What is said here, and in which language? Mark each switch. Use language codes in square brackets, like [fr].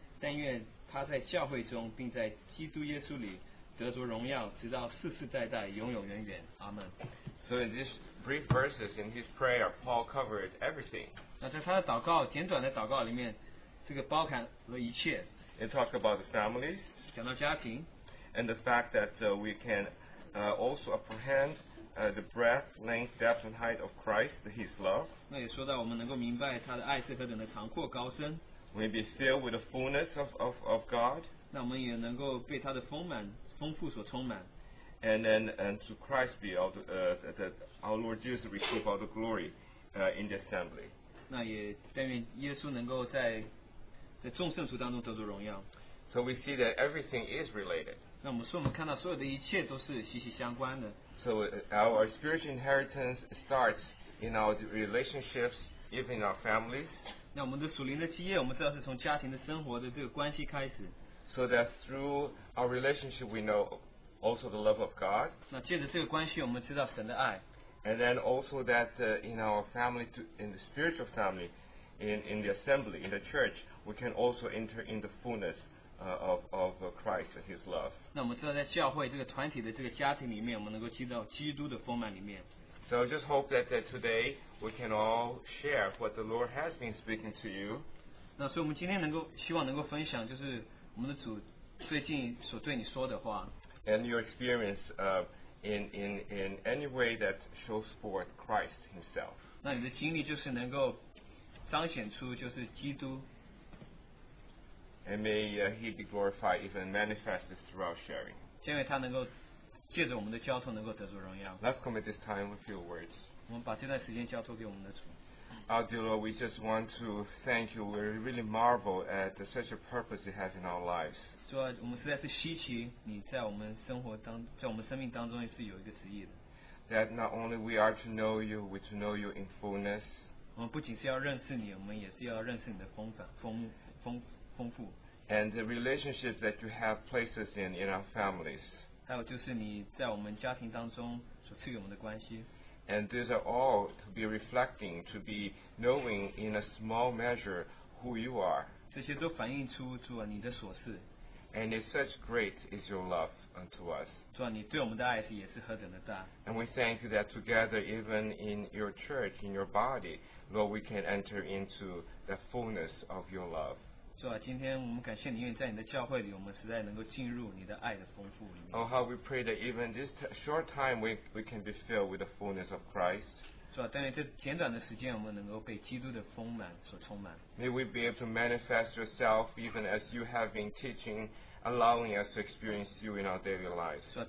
[zh] 但愿他在教会中，并在基督耶稣里得着荣耀，直到世世代代，永永远远。阿们。 [en] So in these brief verses in his prayer, Paul covered everything. [zh] 那在他的祷告，简短的祷告里面，这个包含了一切。 [en] It talks about the families. [zh] 讲到家庭。 [en] And the fact that we can also apprehend the breadth, length, depth, and height of Christ, His love. [zh] 那也说到我们能够明白他的爱是何等的长阔高深。 [en] We be filled with the fullness of God. [zh] 那我们也能够被他的丰富所充满。 [en] And then, and to Christ be all the, that our Lord Jesus receive all the glory in the assembly. [zh] 那也但愿耶稣能够在众圣徒当中得着荣耀。 [en] So we see that everything is related. [zh] 那我们看到所有的一切都是息息相关的。 [en] So our spiritual inheritance starts in our relationships, even in our families. [zh] 那我们的属灵的基业，我们知道是从家庭的生活的这个关系开始。 [en] So that through our relationship, we know also the love of God. [zh] 那借着这个关系，我们知道神的爱。 [en] And then also that in our family, in the spiritual family, in the assembly, in the church, we can also enter in the fullness of Christ and His love. [zh] 那我们知道在教会这个团体的这个家庭里面，我们能够进到基督的丰满里面。 [en] So I just hope that today we can all share what the Lord has been speaking to you. [zh] 那所以我们今天希望能够分享就是我们的主最近所对你说的话。 [en] And your experience in any way that shows forth Christ Himself. [zh] 那你的经历就是能够彰显出就是基督。 [en] And may He be glorified even manifested through our sharing. [zh] 因为他能够借着我们的交通能够得着荣耀。 [en] Let's commit this time with few words. [zh] 我们把这段时间交托给我们的主。 [en] Our dear Lord, we just want to thank you. We really marvel at such a purpose you have in our lives. [zh] 主啊，我们实在是稀奇，你在我们生活当，在我们生命当中也是有一个旨意的。 [en] That not only we are to know you, we to know you in fullness. [zh] 我们不仅是要认识你，我们也是要认识你的丰富。丰富 [en] and the relationship that you have places in our families. [zh] 还有就是你在我们家庭当中所赐予我们的关系。 [en] And these are all to be reflecting, to be knowing in a small measure who you are. [zh] 这些都反映出主啊你的所事。 [en] And it's such great is your love unto us. [zh] 主啊你对我们的爱是也是何等的大。 [en] And we thank you that together, even in your church, in your body, Lord, we can enter into the fullness of your love. [zh] 主啊今天我们感谢你，因为在你的教会里，我们实在能够进入你的爱的丰富里面。 [en] Oh, how we pray that even this short time we can be filled with the fullness of Christ. [zh] 主啊但愿这简短的时间我们能够被基督的丰满所充满。 [en] May we be able to manifest yourself even as you have been teaching, allowing us to experience you in our daily lives.